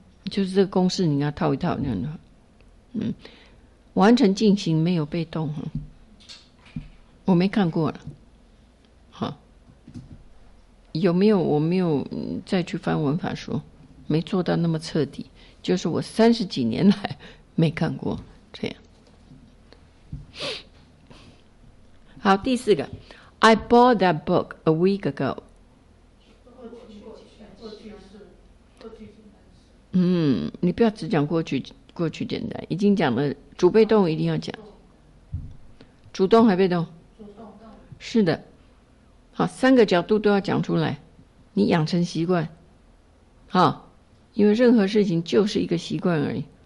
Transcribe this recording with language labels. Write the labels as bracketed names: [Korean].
[Chinese] 就是这个公式，你要套一套这样的。完成进行没有被动，我没看过了。有没有？我没有再去翻文法书，没做到那么彻底。就是我三十几年来没看过这样。好，第四个 [English] ，I bought that book a week ago。 [Chinese] 你不要只讲过去简单，已经讲了主被动一定要讲，主动还被动？主动。是的，好，三个角度都要讲出来，你养成习惯，好，因为任何事情就是一个习惯而已。